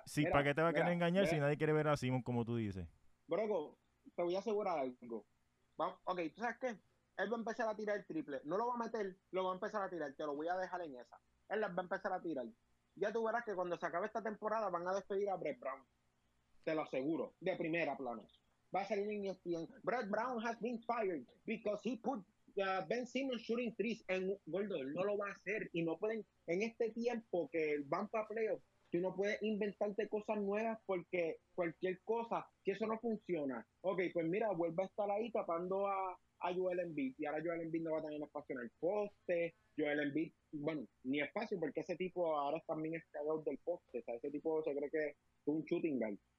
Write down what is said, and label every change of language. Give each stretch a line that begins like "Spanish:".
Spanish: ¿Para qué te va a querer engañar si nadie quiere ver a Simon, como tú dices? Broco, te voy a asegurar algo. Vamos, ok, ¿tú sabes qué? Él va a empezar a tirar el triple. No lo va a meter, lo va a empezar a tirar. Te lo voy a dejar en esa. Él las va a empezar a tirar. Ya tú verás que cuando se acabe esta temporada van a despedir a Brett Brown. Te lo aseguro, de primera plano. Va a salir en ESPN.
English: Brett Brown has been fired because he put Ben Simmons shooting threes.
Spanish: En Gordo, él no lo va a hacer. Y no pueden, en este tiempo que van para playoff, tú no puedes inventarte cosas nuevas porque cualquier cosa, que eso no funciona. Ok, pues mira, vuelve a estar ahí tapando a Joel Embiid. Y ahora Joel Embiid no va a tener espacio en el poste. Joel Embiid, bueno, ni espacio porque ese tipo ahora también es cagador del poste. O sea, ese tipo se cree que es un shooting guard.